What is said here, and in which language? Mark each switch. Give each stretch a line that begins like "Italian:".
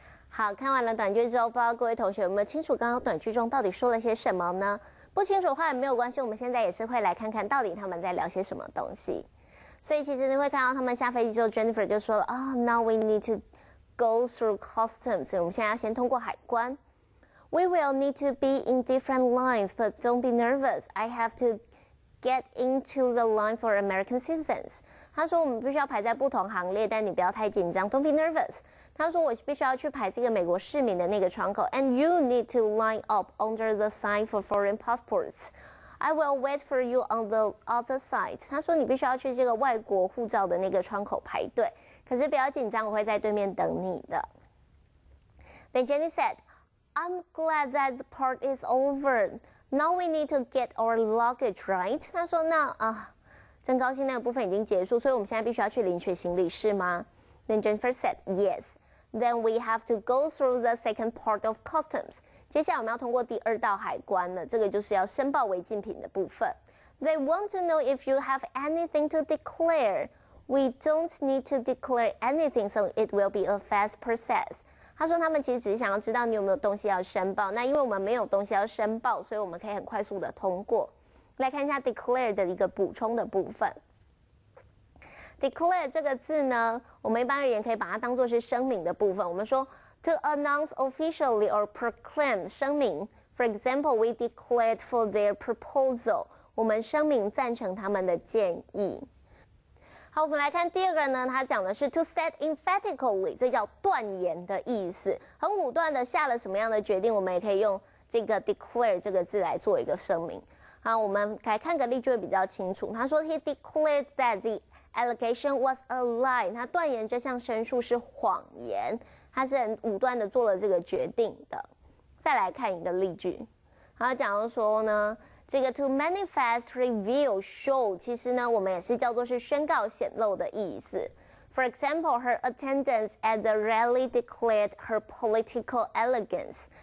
Chinese: 好，看完了短句之后，不知道各位同学有没有清楚刚刚短句中到底说了些什么呢？不清楚的话也没有关系，我们现在也是会来看看到底他们在聊些什么东西。所以其实你会看到他们下飞机之后 ，Jennifer 就说了啊、，
English: Now we need to. Go through customs.
Chinese: 我们现在要先通过海关。
English: We will need to be in different lines, but don't be nervous. I have to get into the line for American citizens.
Chinese: 他说我们必须要排在不同行列，但你不要太紧张。
English: Don't be nervous.
Chinese: 他说我必须要去排这个美国市民的那个窗口。
English: And you need to line up under the sign for foreign passports. I will wait for you on the other side.
Chinese: 他说你必须要去这个外国护照的那个窗口排队。可是不要紧张，我会在对面等你的。
English: Then Jenny said, I'm glad that the part is over. Now we need to get our luggage, right?
Chinese: 她说那啊，真高兴那个部分已经结束，所以我们现在必须要去领取行李，是吗？
English: Then Jennifer said, yes. Then we have to go through the second part of customs.
Chinese: 接下来我们要通过第二道海关了，这个就是要申报违禁品的部分。
English: They want to know if you have anything to declare. We don't need to declare anything, so it will be a fast process.
Chinese: 他说他们其实只是想要知道你有没有东西要申报。那因为我们没有东西要申报，所以我们可以很快速的通过。来看一下 declare 的一个补充的部分。Declare 这个字呢，我们一般而言可以把它当作是声明的部分。我们说
English: to announce officially or proclaim
Chinese: 声明。
English: For example, we declared for their proposal.
Chinese: 我们声明赞成他们的建议。好，我们来看第二个呢，他讲的是
English: to state emphatically，
Chinese: 这叫断言的意思，很武断的下了什么样的决定，我们也可以用这个 declare 这个字来做一个声明。好，我们来看个例句会比较清楚。他说
English: he declared that the allegation was a lie.
Chinese: 他断言这项申诉是谎言。他是很武断的做了这个决定的。再来看一个例句。他假如说呢，这个
English: to manifest, reveal, show,
Chinese: 其实呢我们也是叫做是宣告显露的意思。
English: For example, her attendance at the rally declared her political elegance.